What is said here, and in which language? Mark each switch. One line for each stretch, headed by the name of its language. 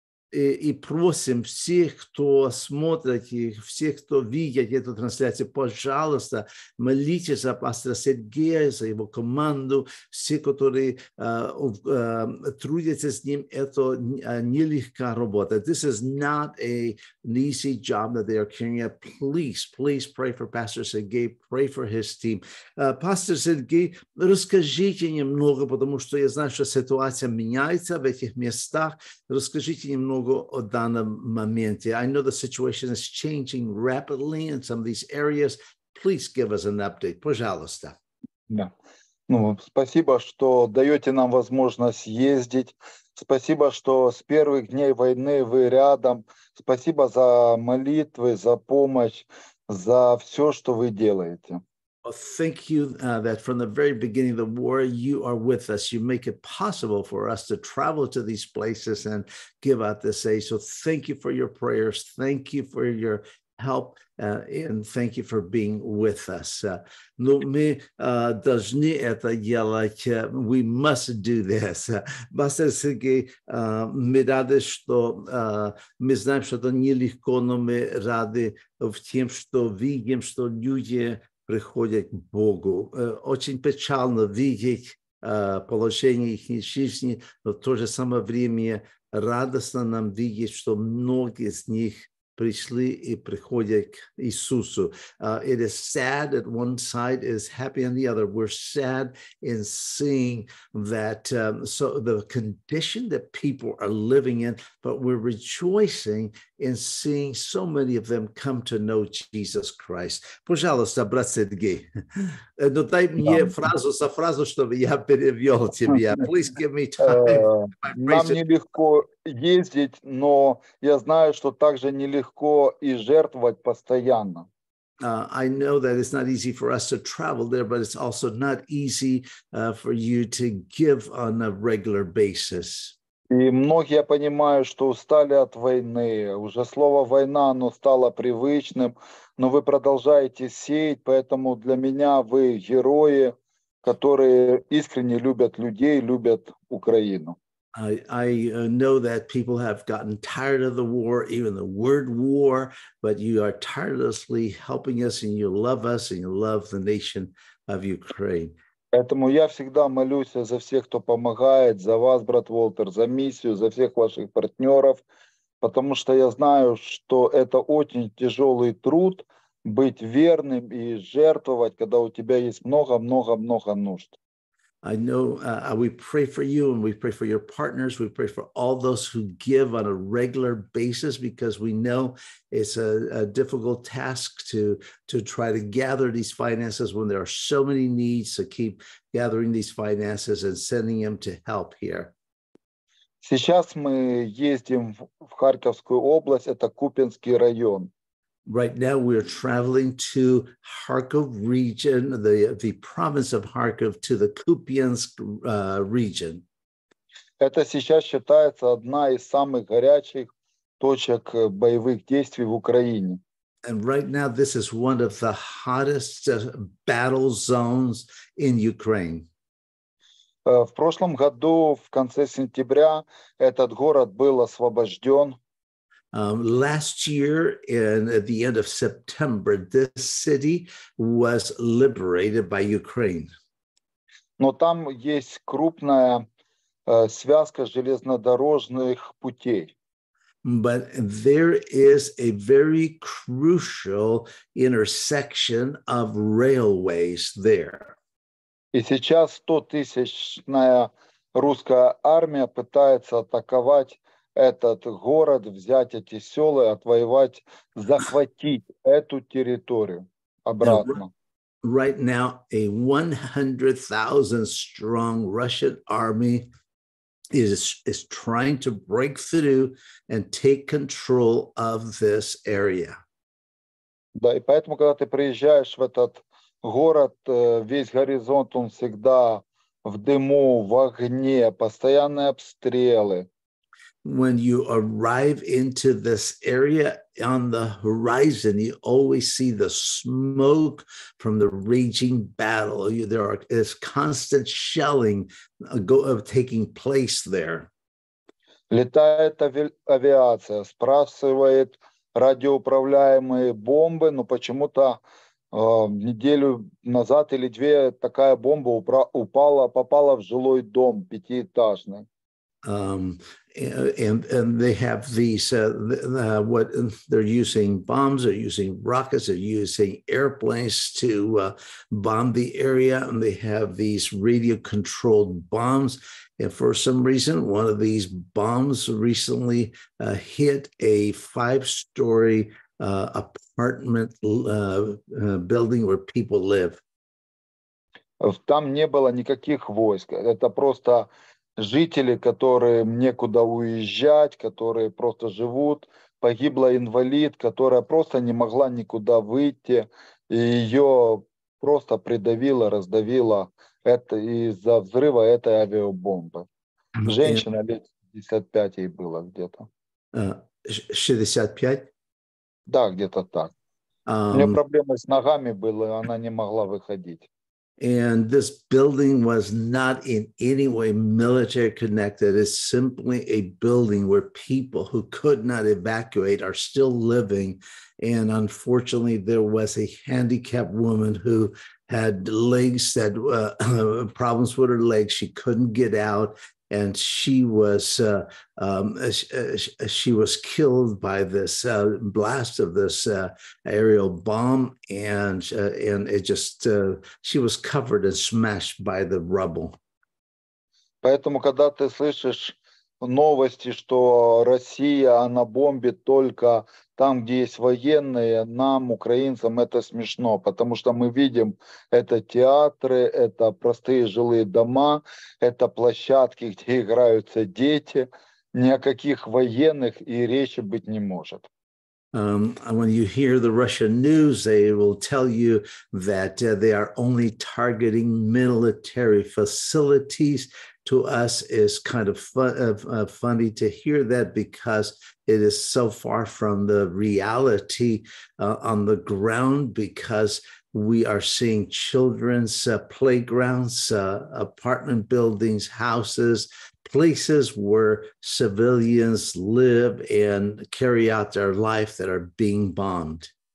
Russian: И просим всех, кто смотрит, и всех, кто видит эту трансляцию, пожалуйста, молитесь за пастора Сергея, за его команду, все, которые трудятся с ним, это нелегкая работа.
English: This is not an easy job that they are carrying out. Please, please pray for Pastor Сергей, pray for his team.
Russian: Пастор Сергей, расскажите немного, потому что я знаю, что ситуация меняется в этих местах. Расскажите немного.
English: I know the situation is changing rapidly in some of these areas. Please give us an update.
Russian: Пожалуйста. Да. Ну, спасибо, что даете нам возможность ездить. Спасибо, что с первых дней войны вы рядом. Спасибо за молитвы, за помощь, за все, что вы делаете.
English: Thank you that from the very beginning of the war, you are with us. You make it possible for us to travel to these places and give out this aid. So thank you for your prayers. Thank you for your help. And thank you for being with us.
Russian: Ну, мы должны это делать.
English: We must do this.
Russian: Пастор Сергей, мы рады, что мы знаем, что это нелегко, но мы рады в тем, что видим, что люди приходят к Богу. Очень печально видеть положение их жизни, но в то же самое время радостно нам видеть, что многие из них пришли и приходят к Иисусу.
English: It is sad at one side, it is happy on the other. We're sad in seeing that so the condition that people are living in, but we're rejoicing in seeing so many of them come to know Jesus Christ.
Russian: Пожалуйста, брат Сергей. Ну, дай мне фразу за фразу, чтобы я перевел тебя.
English: Please give me time.
Russian: Нам нелегко ездить, но я знаю, что также нелегко и жертвовать постоянно.
English: I know that it's not easy for us to travel there, but it's also not easy for you to give on a regular basis.
Russian: И многие понимают, что устали от войны. Уже слово «война», оно стало привычным, но вы продолжаете сеять, поэтому для меня вы герои, которые искренне любят людей, любят Украину.
English: I know that people have gotten tired of the war, even the word war, but you are tirelessly helping us and you love us and you love the nation of Ukraine.
Russian: Поэтому я всегда молюсь за всех, кто помогает, за вас, брат Волтер, за миссию, за всех ваших партнеров, потому что я знаю, что это очень тяжелый труд быть верным и жертвовать, когда у тебя есть много-много-много нужд.
English: I know we pray for you and we pray for your partners. We pray for all those who give on a regular basis because we know it's a difficult task to try to gather these finances when there are so many needs to keep gathering these finances and sending them to help here.
Russian: Сейчас мы ездим в Харьковскую область, это Купинский район.
English: Right now we are traveling to Kharkov region, the province of Kharkov, to the Kupiansk region.
Russian: Это сейчас считается одна из самых горячих точек боевых действий в Украине.
English: And right now this is one of the hottest battle zones in Ukraine.
Russian: В прошлом году, в конце сентября, этот город был освобожден.
English: Last year, in at the end of September, this city was liberated by Ukraine.
Russian: Но там есть крупная связка железнодорожных путей.
English: But there is a very crucial intersection of railways there.
Russian: И сейчас 100-тысячная русская армия пытается атаковать этот город, взять эти села, отвоевать, захватить эту территорию обратно.
English: Right now, a 100,000 strong Russian army is trying to break through and take control of this area.
Russian: Да, и поэтому, когда ты приезжаешь в этот город, весь горизонт, он всегда в дыму, в огне, постоянные обстрелы.
English: When you arrive into this area on the horizon, you always see the smoke from the raging battle. There is constant shelling taking place there.
Russian: Летает авиация, сбрасывает радиоуправляемые бомбы, но почему-то неделю назад или две такая бомба попала в жилой дом пятиэтажный.
English: And they have these what they're using bombs, they're using rockets, they're using airplanes to bomb the area, and they have these radio controlled bombs. And for some reason, one of these bombs recently hit a 5-story apartment building where people live.
Russian: Там не было никаких войск. Это просто жители, которым некуда уезжать, которые просто живут, погибла инвалид, которая просто не могла никуда выйти, и ее просто придавило, раздавило это из-за взрыва этой авиабомбы. Женщина лет 65 ей было где-то. 65? Да, где-то так. У нее проблемы с ногами были, она не могла выходить.
English: And this building was not in any way military connected. It's simply a building where people who could not evacuate are still living. And unfortunately, there was a handicapped woman who had legs that problems with her legs. She couldn't get out, and she was killed by this blast of this aerial bomb, and it just she was covered and smashed by the rubble.
Russian: Поэтому когда ты слышишь новости, что Россия она бомбит только там, где есть военные, нам украинцам это смешно, потому что мы видим это театры, это простые жилые дома, это площадки, где играются дети, ни о каких военных и речи быть не может.
English: When you hear the Russian news, they will tell you that they are only targeting military facilities to us is kind of funny to hear that because it is so far from the reality on the ground, because we are seeing children's playgrounds, apartment buildings, houses, places where civilians live and carry out their life that are being bombed.